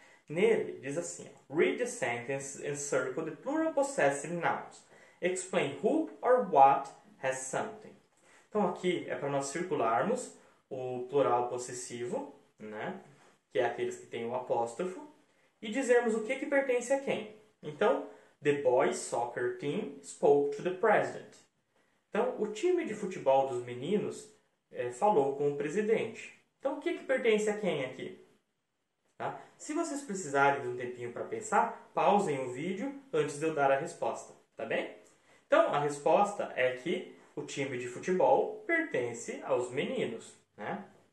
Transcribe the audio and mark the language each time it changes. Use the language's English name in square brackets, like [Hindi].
[Portuguese] Nele, diz assim, ó, [English] read the sentence and circle the plural possessive nouns. Explain who or what has something. [Portuguese] Então, aqui é para nós circularmos o plural possessivo, né, que é aqueles que tem o apóstrofo, e dizermos o que, que pertence a quem. Então, [English] the boys' soccer team spoke to the president. [Portuguese] Então, o time de futebol dos meninos falou com o presidente. Então, o que, que pertence a quem aqui? Tá? Se vocês precisarem de um tempinho para pensar, pausem o vídeo antes de eu dar a resposta, tá bem? Então, a resposta é que o time de futebol pertence aos meninos. Né?